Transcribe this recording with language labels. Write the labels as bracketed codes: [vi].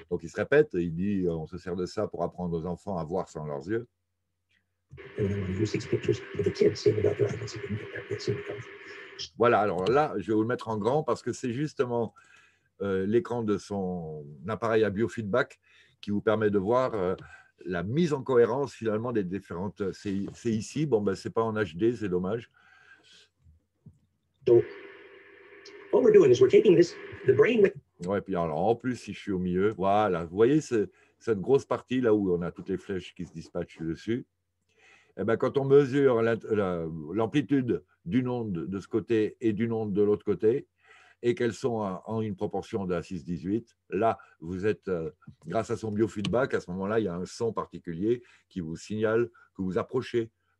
[fr] Donc il se répète, il dit, on se sert de ça pour apprendre aux enfants à voir sans leurs yeux. [en] And then we use these pictures for the kids seeing without their eyes. That's what I can do this. [fr] Voilà, alors là, je vais vous le mettre en grand parce que c'est justement l'écran de son appareil à biofeedback qui vous permet de voir la mise en cohérence finalement des différentes. C'est ici, bon ben c'est pas en HD, c'est dommage. [en] Donc, what we're doing is we're taking this, the brain with. [fr] Ouais, puis alors en plus, si je suis au milieu, voilà, vous voyez cette grosse partie là où on a toutes les flèches qui se dispatchent dessus. Eh ben, quand on mesure l'amplitude d'une onde de ce côté et d'une onde de l'autre côté, et qu'elles sont en une proportion de 6,18, là, vous êtes, grâce à son biofeedback, à ce moment-là, il y a un son particulier qui vous signale que vous approchez.